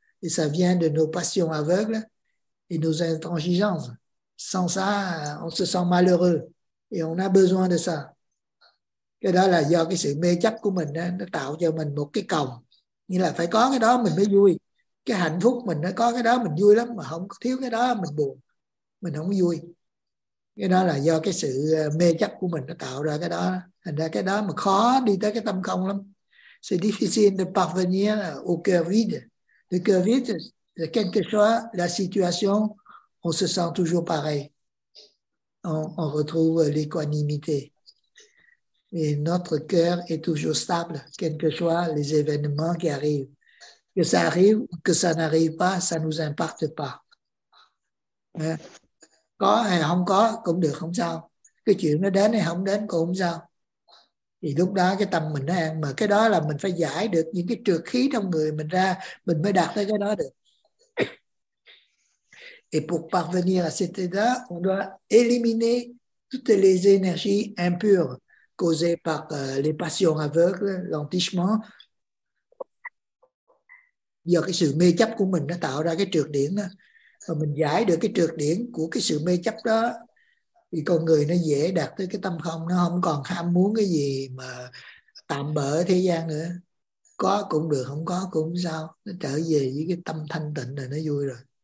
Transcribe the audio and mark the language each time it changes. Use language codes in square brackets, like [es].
[fr] Et ça vient de nos passions aveugles et nos intransigeances. Sans ça, on se sent malheureux. Et on a besoin de ça. [vi] Cái đó là do cái sự mê chấp của mình, nó tạo cho mình một cái còng. Nghĩa là phải có cái đó mình mới vui. Cái hạnh phúc mình nó có cái đó mình vui lắm, mà không thiếu cái đó mình buồn, mình không vui. Cái đó là do cái sự mê chấp của mình nó tạo ra cái đó. Thành ra cái đó mà khó đi tới cái tâm không lắm. [fr] C'est difficile de parvenir au cœur vide. Le cœur vide, quelle que soit la situation, on se sent toujours pareil. On retrouve l'équanimité. Et notre cœur est toujours stable, quels que soient les événements qui arrivent. Que ça arrive ou que ça n'arrive pas, ça ne nous importe pas. Hein? [vi] Có hay không có cũng được, không sao. Cái chuyện nó đến hay không đến cũng không sao. Thì lúc đó cái tâm mình nó an. Mà cái đó là mình phải giải được những cái trược khí trong người mình ra, mình mới đạt tới cái đó được. [fr] Et pour parvenir à cet état, on doit éliminer toutes les énergies impures causées par les passions aveugles, l'entichement. [vi] Do cái sự mê chấp của mình nó tạo ra cái trược điển đó. Và mình giải được cái trược điển của cái sự mê chấp đó, thì con người nó dễ đạt tới cái tâm không. Nó không còn ham muốn cái gì mà tạm bỡ thế gian nữa. Có cũng được, không có cũng sao. Nó trở về với cái tâm thanh tịnh rồi, nó vui rồi.